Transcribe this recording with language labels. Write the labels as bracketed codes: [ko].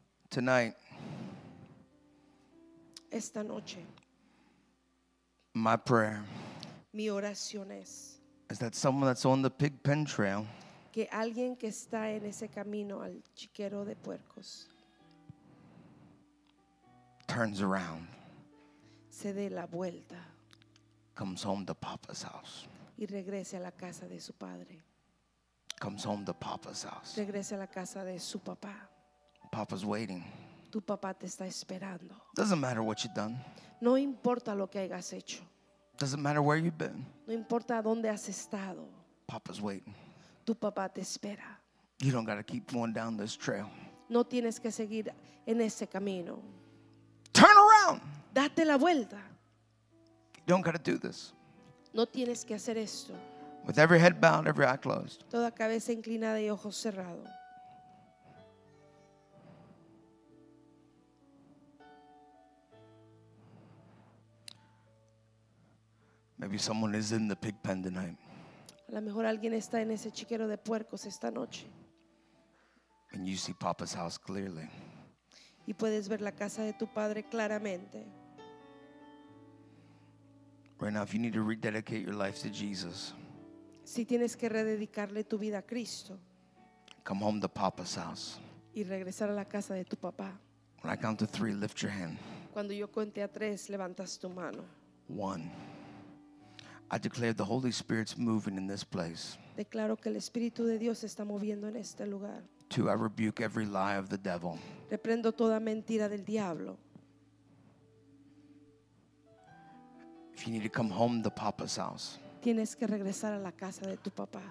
[en] Tonight, [es] esta noche, [en] my prayer, [es] mi oración es, [en] is that someone that's on the pig pen trail. [es] Que alguien que está en ese camino al chiquero de puercos. [en] Turns around. [es] Se dé la vuelta. [en] Comes home to Papa's house. [es] Y regrese a la casa de su padre. [en] Comes home to Papa's house. [es] Regrese a la casa de su papá. [en] Papa's waiting. [es] Tu papá te está esperando. [en] Doesn't matter what you've done. [es] No importa lo que hayas hecho. [en] Doesn't matter where you've been. [es] No importa dónde has estado. [en] Papa's waiting. [es] Tu papá te espera. [en] You don't got to keep going down this trail. [es] No tienes que seguir en ese camino. [en] Turn around. [es] Date la vuelta. [en] You don't got to do this. [es] No tienes que hacer esto. [en] With every head bowed, every eye closed. [es] Toda cabeza inclinada y ojos cerrados. [en] Maybe someone is in the pig pen tonight. [es] A lo mejor alguien está en ese chiquero de puercos esta noche. [en] And you see Papa's house clearly. [es] Y puedes ver la casa de tu padre claramente. [en] Right now, if you need to rededicate your life to Jesus. [es] Si tienes que rededicarle tu vida a Cristo. [en] Come home to Papa's house. [es] Y regresar a la casa de tu papá. [en] When I count to three, lift your hand. [es] Cuando yo cuente a tres, levantas tu mano. [en] One. I declare the Holy Spirit's moving in this place. [es] Declaro que el Espíritu de Dios está moviendo en este lugar. [en] Two, I rebuke every lie of the devil. [es] Reprendo toda mentira del diablo. [en] If you need to come home to Papa's house. [es] Tienes que regresar a la casa de tu papá.